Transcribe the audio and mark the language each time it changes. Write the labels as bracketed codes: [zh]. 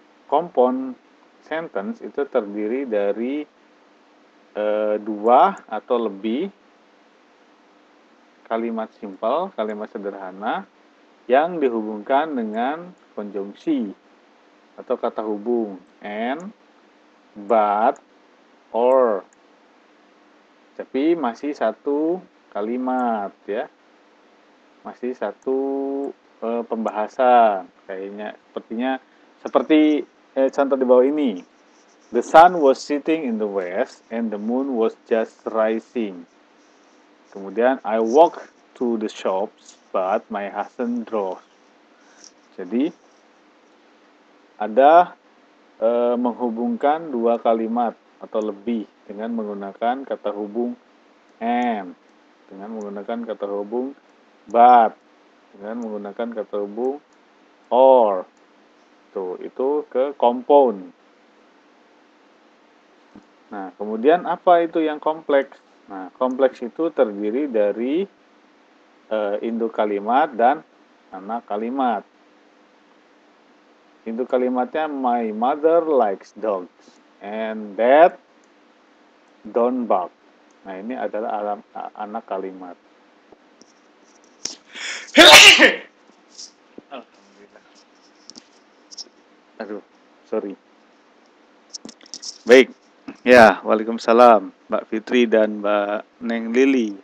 [id] Kompon sentence itu terdiri dari dua atau lebih kalimat simple, kalimat sederhana yang dihubungkan dengan konjungsi atau kata hubung and, but, or. Tapi masih satu kalimat ya. Masih satu pembahasan. Kayaknya sepertinya contoh di bawah ini. [en] The sun was setting in the west and the moon was just rising. [id] Kemudian, [en] I walk to the shops, but my husband draws. [id] Jadi, ada menghubungkan dua kalimat atau lebih dengan menggunakan kata hubung and, dengan menggunakan kata hubung but, dengan menggunakan kata hubung or. Tuh, itu ke compound. Nah, kemudian apa itu yang kompleks? Nah, kompleks itu terdiri dari induk kalimat dan anak kalimat. Induk kalimatnya [en] my mother likes dogs and dad don't bark. [id] Nah, ini adalah anak kalimat. Alhamdulillah. Aduh, sorry. Baik. Ya, waalaikumsalam Mbak Fitri dan Mbak Neng Lili.